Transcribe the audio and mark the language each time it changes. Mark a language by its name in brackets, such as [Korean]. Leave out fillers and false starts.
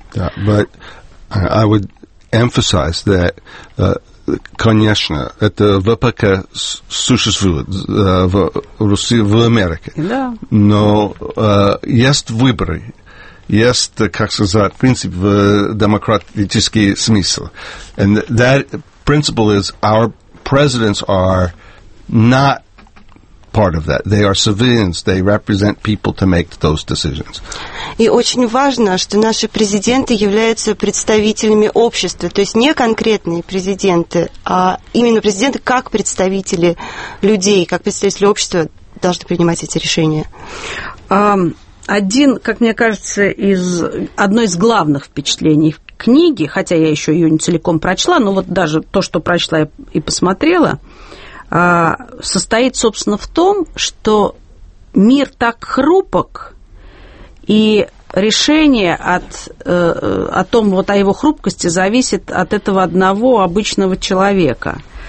[Russian] Да, [English] but I would emphasize that, [Russian] конечно, это ВПК существует в России, в Америке. Да. Но есть выборы, есть, как сказать, принцип в демократический смысл. [English] And that principle is our presidents are not part of that. They are civilians. They represent people to make those decisions. [Russian] И очень важно, что наши президенты являются представителями общества, то есть не конкретные президенты, а именно президенты как представители людей, как представители общества должны принимать эти решения. Один, как мне кажется, одно из главных впечатлений книги, хотя я еще ее не целиком прочла, но вот даже то, что прочла и посмотрела, состоит, собственно, в том, что мир так хрупок, и решение о том, вот о его хрупкости, зависит от этого одного обычного человека.